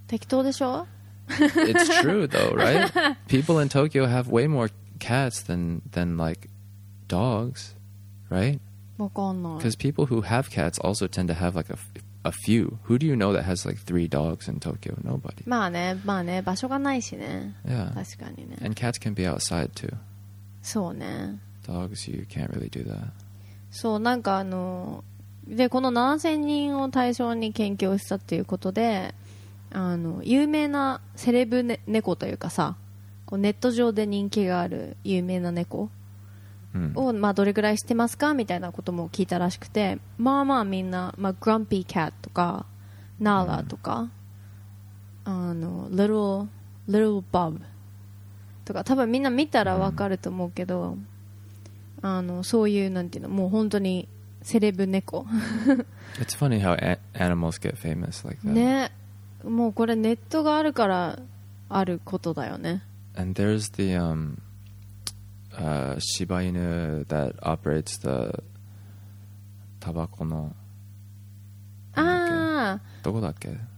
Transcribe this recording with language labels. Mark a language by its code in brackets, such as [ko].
[ja] 適当でしょ? [en] It's true though, right? People in Tokyo have way more cats than like dogs, right? [ja] わかんない。 [en] Because people who have cats also tend to have like a few. Who do you know that has like 3 dogs in Tokyo? Nobody. [ja] まあね、まあね、場所がないしね。 [en] Yeah. [ja] 確かにね。 [en] And cats can be outside too. [ja] そうね。 [en] Dogs, you can't really do that. [ja] そう、なんかでこの7000人を対象に研究をしたっていうことで、有名なセレブ、ね、猫というかさ、こうネット上で人気がある有名な猫を、うん、まあ、どれぐらい知ってますかみたいなことも聞いたらしくて、まあまあみんな、まあ、グランピーキャットとかナーラとか、うん、リトルバブとか、多分みんな見たらわかると思うけど、うん、そういうなんていうの、もう本当にセレブ猫。 [en] It's funny how animals get famous like that. [ja] ね、もうこれネットがあるからあることだよね。 [en] And there's the Shiba Inu that operates the [ja] タバコの。ああ。どこだっけ？